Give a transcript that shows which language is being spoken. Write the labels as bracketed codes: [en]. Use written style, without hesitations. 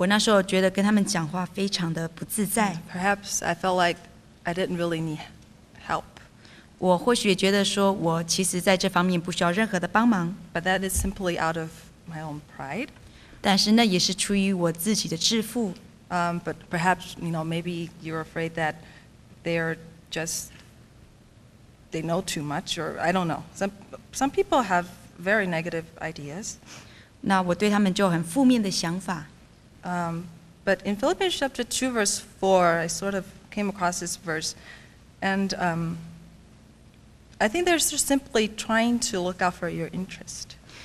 [zh] 我不知道大家对婚姻介绍人的想法是什么，但是我那时候觉得跟他们讲话非常的不自在。 [en] Perhaps I felt like I didn't really need help. [zh] 我或许觉得说我其实在这方面不需要任何的帮忙。 [en] But that is simply out of my own pride. [zh] 但是那也是出于我自己的自负。 [en] But perhaps, you know, maybe you're afraid that they're just, they know too much, or I don't know. Some people have very negative ideas. [zh] 那我对他们就很负面的想法。 [en] But in Philippians chapter 2, verse 4, I sort of came across this verse, and I think they're just simply trying to look out for your interest.